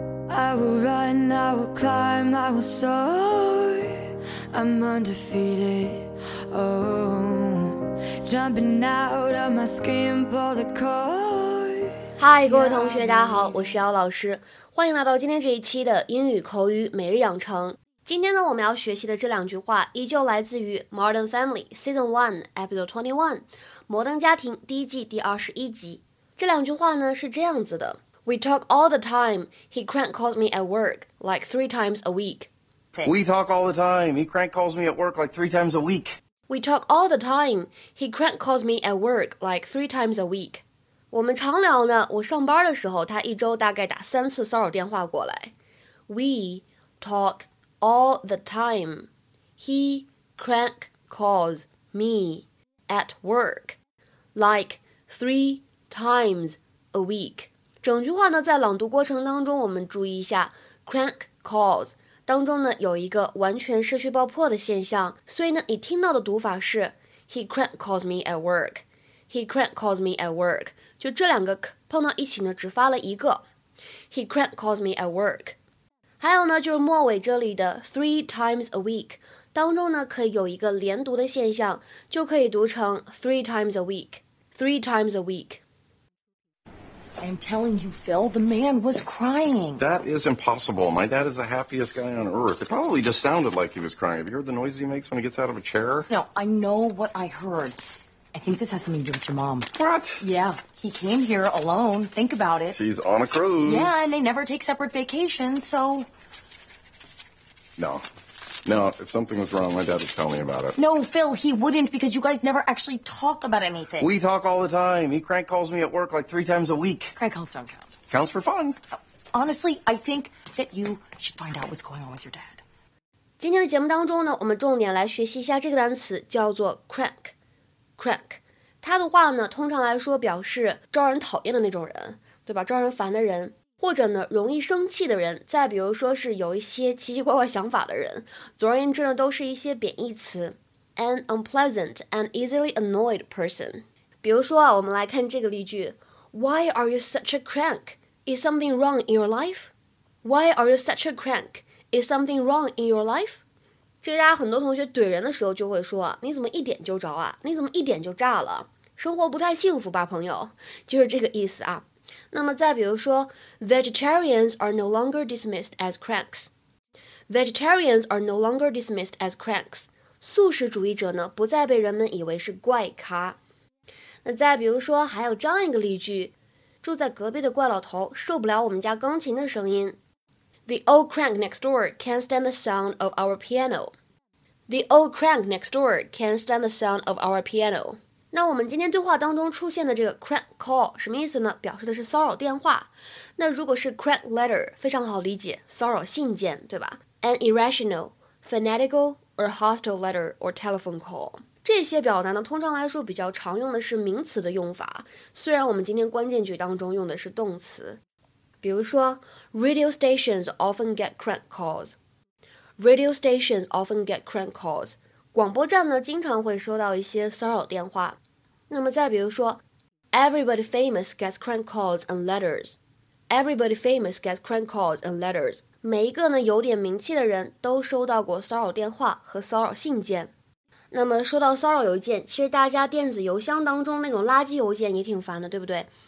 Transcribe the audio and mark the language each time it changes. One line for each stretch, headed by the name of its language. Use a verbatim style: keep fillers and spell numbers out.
English: I will run, I will climb, I will soar. I'm undefeated, oh. Jumping out of my skin, pull the cord.
Chinese: 嗨，各位同学，大家好，我是姚老师，欢迎来到今天这一期的英语口语每日养成。今天呢，我们要学习的这两句话依旧来自于 Modern Family Season one Episode twenty-one 摩登家庭第一季第二十一集。这两句话呢是这样子的。
English: We talk all the time. He crank calls me at work like three times a week. We talk all the time. He crank calls me at work like three times a week. We talk all the time. He crank calls me at work like three times a week.
Chinese: 我们常聊呢，我上班的时候，他一周大概打三次骚扰电话过来。
English: We talk all the time. He crank calls me at work like three times a week.
Chinese: 整句话呢，在朗读过程当中，我们注意一下 crank calls 当中呢有一个完全失去爆破的现象，所以呢，你听到的读法是
English: he crank calls me at work, he crank calls me at work，
Chinese: 就这两个 k 碰到一起呢，只发了一个
English: he crank calls me at work。
Chinese: 还有呢，就是末尾这里的 three times a week 当中呢，可以有一个连读的现象，就可以读成
English: three times a week, three times a week。 I'm telling you, Phil, the man was crying. That is impossible. My dad is the happiest guy on earth. It probably just sounded like he was crying. Have you heard the noise he makes when he gets out of a chair? No, I know what I heard. I think this has something to do with your mom. What? Yeah, he came here alone. Think about it. She's on a cruise. Yeah, and they never take separate vacations, so... No. No, if something was wrong, my dad would tell me about it. No, Phil, he wouldn't because you guys never actually talk about anything. We talk all the time. He crank calls me at work like three times a week. Crank calls don't count. Counts for fun. Honestly, I think that you should find out what's going on with your dad.
Chinese: 今天的节目当中呢，我们重点来学习一下这个单词，叫做 crank。 crank， 它的话呢，通常来说表示招人讨厌的那种人，对吧？招人烦的人。或者呢，容易生气的人，再比如说是有一些奇奇怪怪想法的人，总而言之呢，都是一些贬义词。
English: An unpleasant and easily annoyed person。
Chinese: 比如说啊，我们来看这个例句
English: ：Why are you such a crank? Is something wrong in your life? Why are you such a crank? Is something wrong in your life?
Chinese: 这大家很多同学怼人的时候就会说啊，你怎么一点就着啊？你怎么一点就炸了？生活不太幸福吧，朋友？就是这个意思啊。那么再比如说
English: Vegetarians are no longer dismissed as cranks Vegetarians are no longer dismissed as cranks
Chinese: 素食主义者呢不再被人们以为是怪咖。那再比如说还有这样一个例句，住在隔壁的怪老头受不了我们家钢琴的声音。
English: The old crank next door can't stand the sound of our piano The old crank next door can't stand the sound of our piano。
Chinese: 那我们今天对话当中出现的这个 crank call 什么意思呢？表示的是骚扰电话。那如果是 crank letter 非常好理解，骚扰信件，对吧？
English: An irrational, fanatical or hostile letter or telephone call
Chinese: 这些表达呢，通常来说比较常用的是名词的用法，虽然我们今天关键句当中用的是动词。比如说
English: Radio stations often get crank calls Radio stations often get crank calls
Chinese: 广播站呢，经常会收到一些骚扰电话。那么再比如说
English: Everybody famous gets crank calls and letters Everybody famous gets crank calls and letters
Chinese: 每一个呢有点名气的人都收到过骚扰电话和骚扰信件。那么说到骚扰邮件，其实大家电子邮箱当中那种垃圾邮件也挺烦的，对不对？